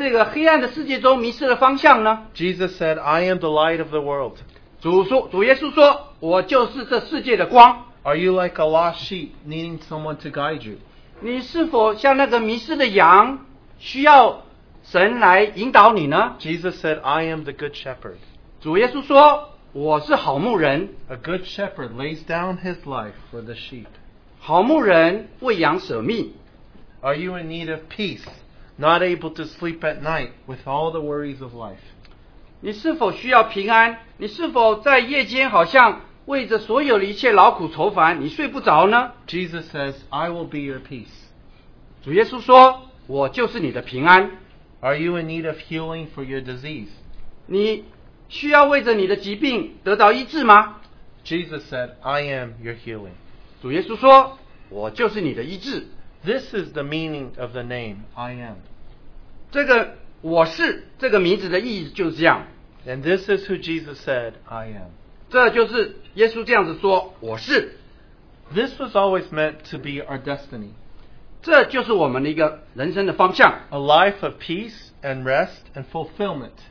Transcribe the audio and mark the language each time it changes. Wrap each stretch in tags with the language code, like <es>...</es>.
<zh>你是不是在这个世界上,在这个黑暗的世界中迷失了方向呢?</zh> <en>Jesus said, I am the light of the world.</en> <zh>主耶稣说,我就是这世界的光。</zh> <en>Are you like a lost sheep needing someone to guide you?</en> <zh>你是否像那个迷失的羊,需要神来引导你呢?</zh> <en>Jesus said, I am the good shepherd.</en> <zh>主耶稣说,我是好牧人。</zh> <en>A good shepherd lays down his life for the sheep.</en> <zh>好牧人为羊舍命。</zh> <en>Are you in need of peace, not able to sleep at night with all the worries of life?</en> <zh>你是否需要平安? 你是否在夜间好像为着所有的一切劳苦愁烦? 你睡不着呢?</zh> <en>Jesus says, I will be your peace.</en> <zh>主耶稣说, 我就是你的平安。</zh> <en>Are you in need of healing for your disease?</en> <zh>你需要为着你的疾病得到医治吗?</zh> <en>Jesus said, I am your healing.</en> <zh>主耶稣说, 我就是你的医治。</zh> <en>This is the meaning of the name, I am.</en> <zh>这个我是这个名字的意义就是这样。</zh> <en>And this is who Jesus said, I am.</en> <zh>这就是耶稣这样子说,我是。</zh> <en>This was always meant to be our destiny.</en> <zh>这就是我们的一个人生的方向。</zh> <en>A life of peace and rest and fulfillment.</en>